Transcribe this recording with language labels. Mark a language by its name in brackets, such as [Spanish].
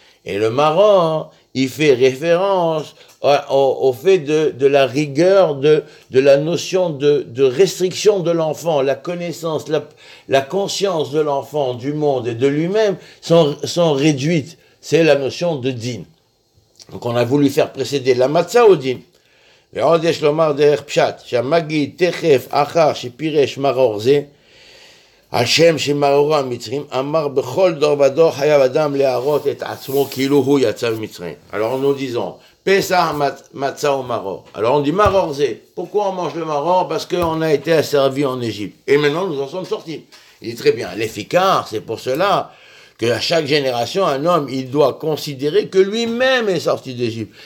[French] Et le marron, il fait référence au fait de la rigueur, de la notion de restriction de l'enfant, la connaissance, la conscience de l'enfant, du monde et de lui-même sont réduites. C'est la notion de din. Donc on a voulu faire précéder la matzah au din. [Hebrew] ועוד יש לומר דרך פשט, שהמגיד תכף אחר שפירש מרור זה, השם שמרור המצרים, אמר בכל דור ודור חייב אדם להראות את עצמו כאילו הוא יצא ממצרים. [French] Alors nous disons, Pesach, Matzah ou Maror. Alors on dit Maror זה. Pourquoi on mange le Maror? Parce qu'on a été asservi en Égypte. Et maintenant nous en sommes sortis. Il dit très bien, l'efficar, c'est pour cela qu'à chaque génération, un homme, il doit considérer que lui-même est sorti d'Égypte.